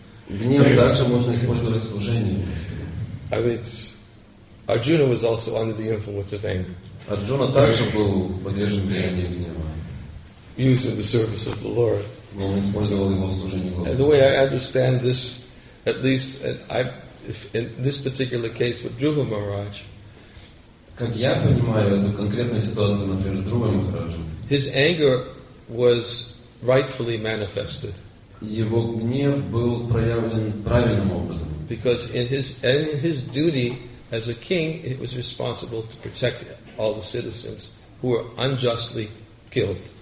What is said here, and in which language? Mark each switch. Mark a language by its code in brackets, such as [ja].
[ru] Гнев также можно использовать в служении. [en] I mean, Arjuna was also under the influence of anger. [ru] Arjuna также был подвержен влиянию гнева. [en] Used in the service of the Lord. [ru] Он использовал его в служении Господу. [en] And the way I understand this, at least in this particular case with Dhruva Maharaj, [ru] как я понимаю эту конкретную ситуацию, например, с Дхрувой Махараджем, [en] his anger was rightfully manifested. [ru] Его гнев был проявлен правильным образом. [en] Because in his duty as a king, it was responsible to protect all the citizens who were unjustly killed.